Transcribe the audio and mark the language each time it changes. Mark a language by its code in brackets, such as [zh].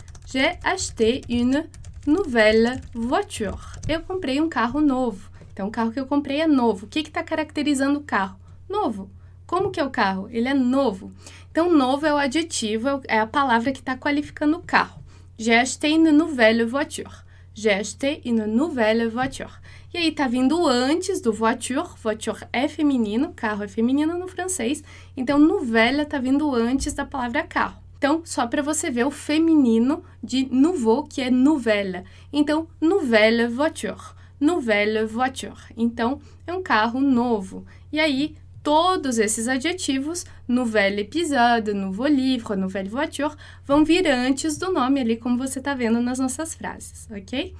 [fr] J'ai acheté une nouvelle voiture. [pt] Eu comprei um carro novo. Então, o carro que eu comprei é novo. O que que está caracterizando o carro? Novo. Como que é o carro? Ele é novo. Então, novo é o adjetivo, é a palavra que está qualificando o carro. [fr] J'ai acheté une nouvelle voiture. J'ai acheté une nouvelle voiture. [pt] E aí, está vindo antes do voiture. Voiture é feminino, carro é feminino no francês. Então, nouvelle está vindo antes da palavra carro. Então, só para você ver o feminino de nouveau, que é nouvelle. [fr] Então, nouvelle voiture. Nouvelle voiture. [pt] Então, é um carro novo. E aí, todos esses adjetivos, nouvelle épisode, nouveau livre, nouvelle voiture, vão vir antes do nome ali, como você está vendo nas nossas frases, ok?